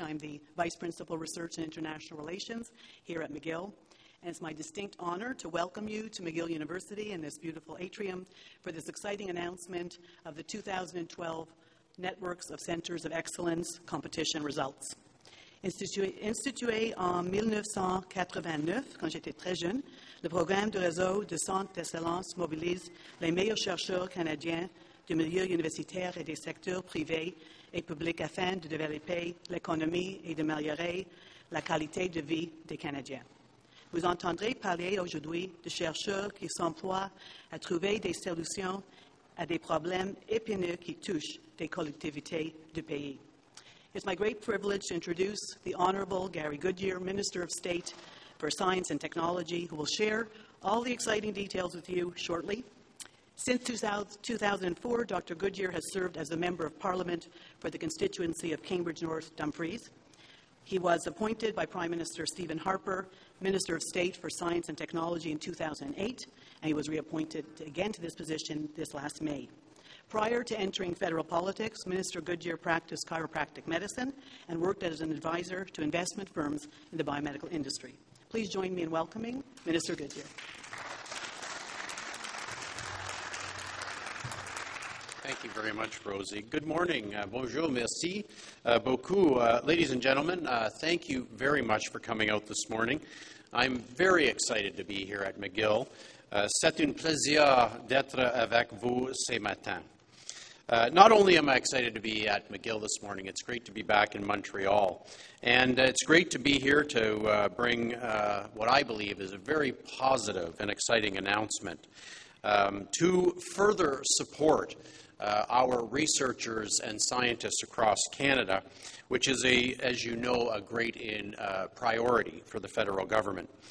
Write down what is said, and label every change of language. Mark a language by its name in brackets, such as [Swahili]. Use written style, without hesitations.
[English] I'm the Vice Principal of Research and International Relations here at McGill. And it's my distinct honor to welcome you to McGill University in this beautiful atrium for this exciting announcement of the 2012 Networks of Centers of Excellence competition results. [French] Institué en 1989, quand j'étais très jeune, le programme de réseau de centres d'excellence mobilise les meilleurs chercheurs canadiens du milieu universitaire et des secteurs privés et publics afin de développer l'économie et d'améliorer la qualité de vie des Canadiens. Vous entendrez parler aujourd'hui de chercheurs qui s'emploient à trouver des solutions à des problèmes épineux qui touchent des collectivités du pays. [English] It's my great privilege to introduce the Honorable Gary Goodyear, Minister of State for Science and Technology, who will share all the exciting details with you shortly. Since 2004, Dr. Goodyear has served as a Member of Parliament for the constituency of Cambridge North Dumfries. He was appointed by Prime Minister Stephen Harper, Minister of State for Science and Technology in 2008, and he was reappointed again to this position this last May. Prior to entering federal politics, Minister Goodyear practiced chiropractic medicine and worked as an advisor to investment firms in the biomedical industry. Please join me in welcoming Minister Goodyear. Thank you very much, Rosie. Good morning. [French] Bonjour, merci beaucoup. [English] Ladies and gentlemen, thank you very much for coming out this morning. I'm very excited to be here at McGill. [French] C'est un plaisir d'être avec vous ce matin. [English] Not only am I excited to be at McGill this morning, it's great to be back in Montreal. And it's great to be here to bring what I believe is a very positive and exciting announcement to further support our researchers and scientists across Canada, which is, as you know, a great priority for the federal government.